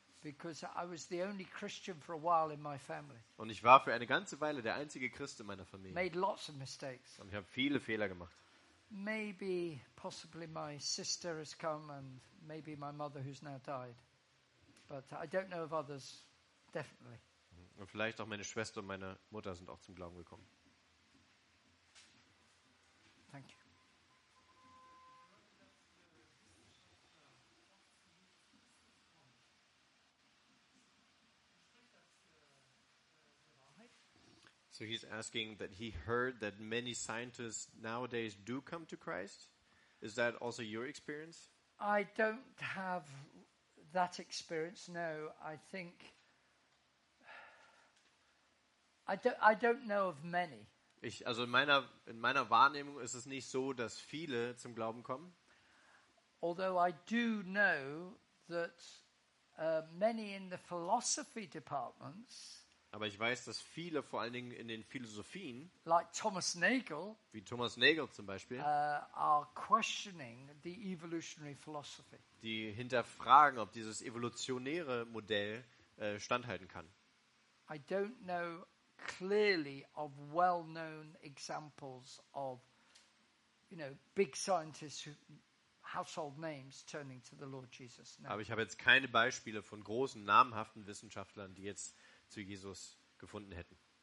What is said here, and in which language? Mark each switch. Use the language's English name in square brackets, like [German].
[English] Because I was the only Christian for a while in my family. [German] Und ich war für eine ganze Weile der einzige Christ in meiner Familie. [English] Made lots of mistakes. [German] Und ich habe viele Fehler gemacht. [English] Maybe possibly my sister has come and maybe my mother who's now died. But I don't know of others definitely. [German] Und vielleicht auch meine Schwester und meine Mutter sind auch zum Glauben gekommen. [English] Thank you. So he's asking that he heard that many scientists nowadays do come to Christ. Is that also your experience? I don't have that experience, no. I think I don't know of many. [German] In meiner Wahrnehmung ist es nicht so, dass viele zum Glauben kommen. [English] Although I do know that many in the philosophy departments. [German] Aber ich weiß, dass viele, vor allen Dingen in den Philosophien, [English] like Thomas Nagel, [German] wie Thomas Nagel zum Beispiel, [English] are questioning the evolutionary philosophy. [German] Die hinterfragen, ob dieses evolutionäre Modell standhalten kann. [English] I don't know clearly of well-known examples of, you know, big scientists, household names, turning to the Lord Jesus. No. [German] Aber ich habe jetzt keine Beispiele von großen, namhaften Wissenschaftlern, die jetzt zu Jesus gefunden hätten.